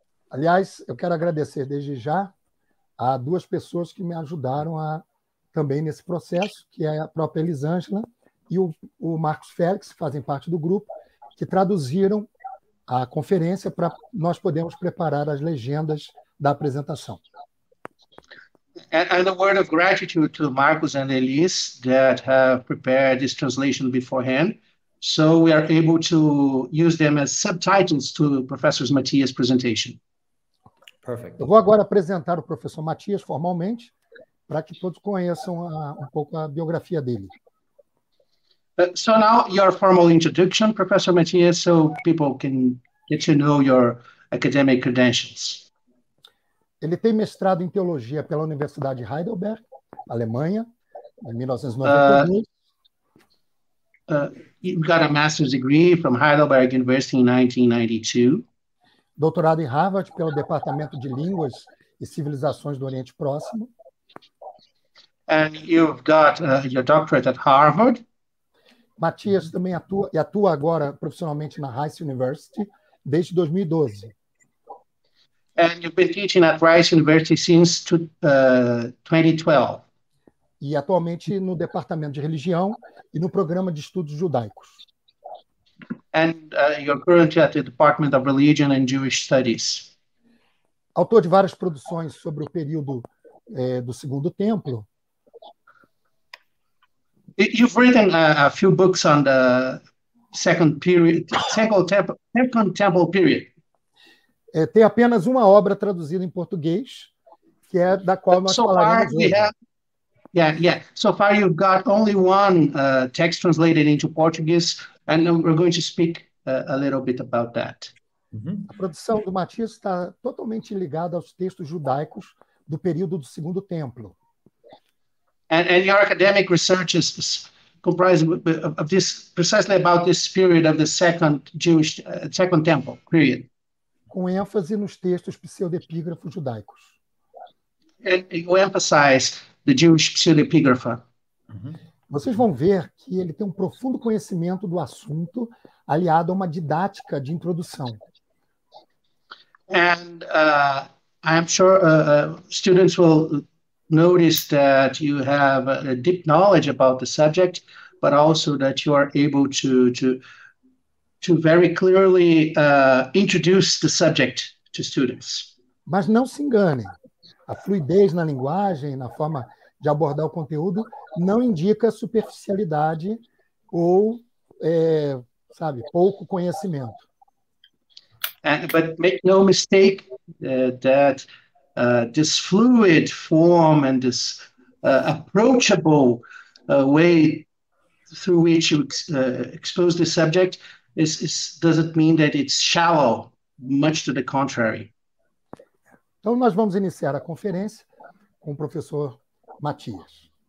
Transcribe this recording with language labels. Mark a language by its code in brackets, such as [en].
[pt] Aliás, eu quero agradecer desde já a duas pessoas que me ajudaram também nesse processo, que é a própria Elisângela e o Marcos Félix, que fazem parte do grupo, que traduziram a conferência para nós podermos preparar as legendas da apresentação. [en] And a word of gratitude to Marcos and Elise that have prepared this translation beforehand, so we are able to use them as subtitles to Professor Matias' presentation. Perfect. [pt] Eu vou agora apresentar o professor Matias formalmente, para que todos conheçam um pouco a biografia dele. [en] So now your formal introduction, Professor Matias, so people can get to know your academic credentials. [pt] Ele tem mestrado em teologia pela Universidade de Heidelberg, Alemanha, em 1992. [en] You got a master's degree from Heidelberg University in 1992. [pt] Doutorado em Harvard pelo Departamento de Línguas e Civilizações do Oriente Próximo. [en] And you've got your doctorate at Harvard. [pt] Matias também atua agora profissionalmente na Rice University desde 2012. [en] And you've been teaching at Rice University since 2012. [pt] E atualmente no Departamento de Religião e no Programa de Estudos Judaicos. [en] And you're currently at the Department of Religion and Jewish Studies. [pt] Autor de várias produções sobre o período, do Segundo Templo. [en] You've written a few books on the second period, second temple period. [pt] tem apenas uma obra traduzida em português, que é da qual nós falaremos hoje. [en] So far you've got only one text translated into Portuguese, and we're going to speak a little bit about that. [pt] A produção do Matthias está totalmente ligada aos textos judaicos do período do Segundo Templo. [en] And your academic research is comprised of this, precisely about this period of the Second Jewish Second Temple period. [pt] Com ênfase nos textos pseudepígrafos judaicos. [en] And you emphasize the Jewish pseudepigrapha. [pt] Vocês vão ver que ele tem um profundo conhecimento do assunto, aliado a uma didática de introdução. [en] And I'm sure students will notice that you have a deep knowledge about the subject, but also that you are able to very clearly introduce the subject to students. [pt] Mas não se engane. A fluidez na linguagem, na forma de abordar o conteúdo, não indica superficialidade ou, sabe, pouco conhecimento. [en] But make no mistake that this fluid form and this approachable way through which you expose the subject is doesn't mean that it's shallow, much to the contrary. [pt] Então nós vamos iniciar a conferência com o professor Matthias.